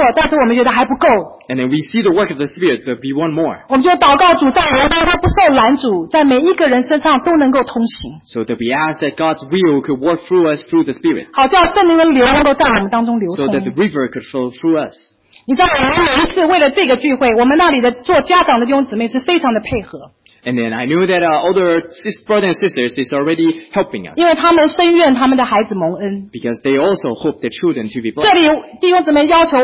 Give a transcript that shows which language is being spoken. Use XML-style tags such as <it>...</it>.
<en>and then we see the work of the Spirit, but we want more.</en> <zh>我们就祷告主在我们不受拦阻，在每一个人身上都能够通行。</zh> <en>So that we ask that God's will could work through us through the Spirit.</en> <zh>好叫圣灵的流能够在我们当中流通。</zh> <en>So that the river could flow through us.</en> <zh>你知道我们每一次为了这个聚会，我们那里的做家长的弟兄姊妹是非常的配合。</zh> <en>And then I knew that our older brothers and sisters is already helping us.</en> <zh>因为他们深愿他们的孩子蒙恩。</zh> <en>Because they also hope their children to be blessed.</en>